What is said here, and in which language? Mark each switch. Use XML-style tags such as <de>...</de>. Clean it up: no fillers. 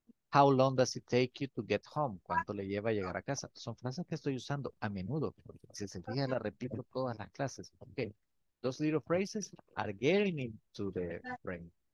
<en>How long does it take you to get home?</en> <es>¿Cuánto le lleva a llegar a casa? Son frases que estoy usando a menudo. Si se fija, la repito todas las clases. Ok.</es> <en>Those little phrases are getting into the brain.</en>